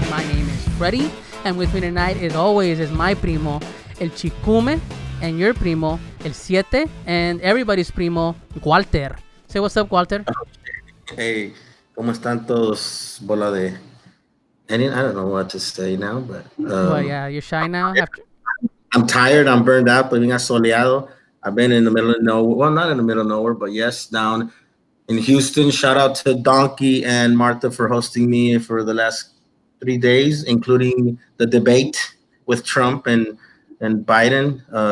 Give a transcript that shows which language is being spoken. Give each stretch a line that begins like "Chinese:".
English: My name is Freddy, and with me tonight, as always, is my primo, El Chicume, and your primo, El Siete, and everybody's primo, Walter. Say what's up, Walter.
Spanish: Hey, ¿cómo están todos, bola de?
English: I don't know what to say now, but... You're shy now? I'm tired, I'm burned out, but being asoleado. I've been in the middle of nowhere, well, not in the middle of nowhere, but yes, down in Houston. Shout out to Donkey and Martha for hosting me for the last 3 days, including the debate with Trump and Biden.